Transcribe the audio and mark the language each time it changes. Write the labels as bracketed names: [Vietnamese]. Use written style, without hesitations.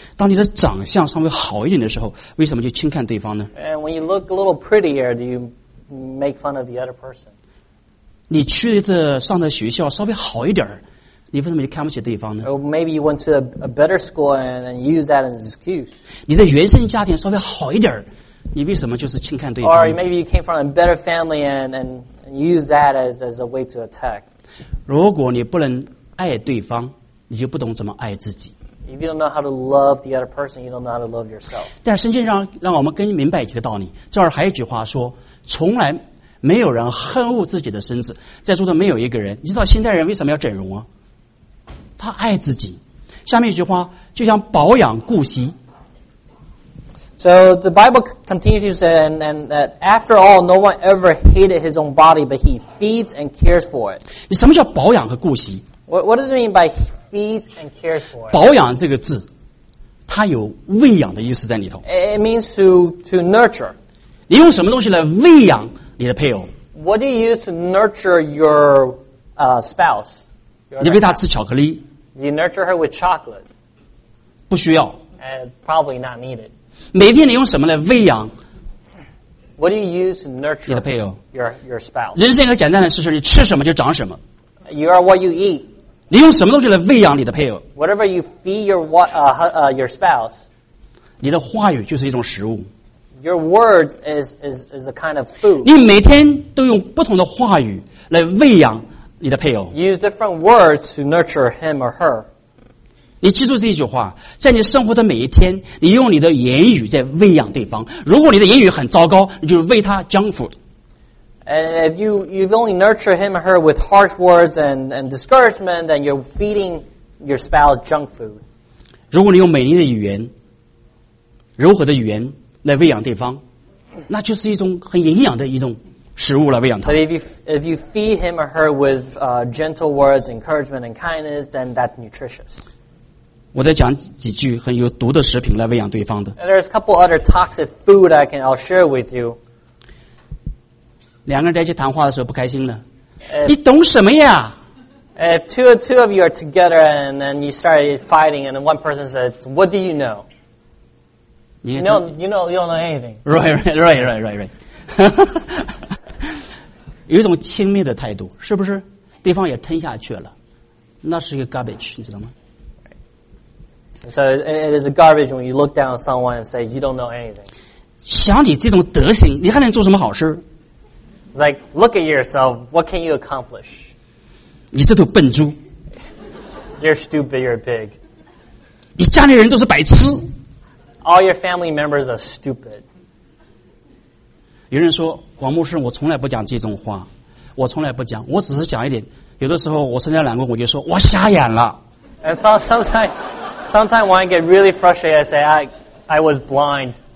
[Chinese] 当你的长相稍微好一点的时候，为什么就轻看对方呢？ [English] And when you look a little prettier, do you make fun of the other person? [Chinese] 你去的上的学校稍微好一点，你为什么就看不起对方呢？ [English] Or maybe you went to a better school and use that as an excuse. [Chinese] 你的原生家庭稍微好一点，你为什么就是轻看对方？ [English] Or maybe you came from a better family and use that as a way to attack. [Chinese] 如果你不能爱对方，你就不懂怎么爱自己。 [English] If you don't know how to love the other person, you don't know how to love yourself. [Chinese] 但圣经让我们更明白一个道理。这儿还有一句话说，从来没有人恨恶自己的身子，在座的没有一个人。你知道现代人为什么要整容啊？他爱自己。下面一句话，就像保养顾惜。 [English] So the Bible continues and that after all, no one ever hated his own body, but he feeds and cares for it. [Chinese] 你什么叫保养和顾惜？ [English] What does it mean by feeds and cares for it? [Chinese] 保养这个字，它有喂养的意思在里头。 [English] It means to nurture. [Chinese] 你用什么东西来喂养你的配偶？ [English] What do you use to nurture your spouse? [Chinese] 你喂她吃巧克力？ [English] You nurture her with chocolate. [Chinese] 不需要。 [English] Probably not needed. [Chinese] 每天你用什么来喂养 [English] ？What do you use to nurture [Chinese] 你的配偶 [English] ？Your spouse。 [Chinese] 人生一个简单的事实，你吃什么就长什么。 [English] You are what you eat。 [Chinese] 你用什么东西来喂养你的配偶 [English] ？Whatever you feed your spouse。 [Chinese] 你的话语就是一种食物。 [English] Your word is a kind of food。 [Chinese] 你每天都用不同的话语来喂养你的配偶。 [English] You use different words to nurture him or her。 [Chinese] 你记住这句话，在你生活的每一天，你用你的言语在喂养对方。如果你的言语很糟糕，你就喂他 junk food。 [English] And if you've only nurtured him or her with harsh words and discouragement, then you're feeding your spouse junk food. [Chinese] 如果你用美丽的语言、柔和的语言来喂养对方，那就是一种很营养的一种食物来喂养他。 [English] But if you feed him or her with gentle words, encouragement, and kindness, then that's nutritious. [Chinese] 我再讲几句很有毒的食品来喂养对方的。 [English] There's a couple other toxic food I'll share with you. [Chinese] 两个人在一起谈话的时候不开心了。你懂什么呀 [English] ？If two of you are together and then you started fighting and then one person says, "What do you know?" You don't know anything. Right. [Chinese] 有一种轻蔑的态度，是不是？对方也吞下去了，那是一个 garbage， 你知道吗？ [English] So it is a garbage when you look down on someone and say you don't know anything. [Chinese] 想你这种德行，你还能做什么好事？ [English] Like look at yourself, what can you accomplish? [Chinese] 你这头笨猪。 [English] You're stupid. You're pig. [Chinese] 你家里人都是白痴。 [English] All your family members are stupid. [Chinese] 有人说，广牧师，我从来不讲这种话，我从来不讲，我只是讲一点。有的时候我参加两个，我就说我瞎眼了。 [English] And sometimes when I get really frustrated, I say, I was blind.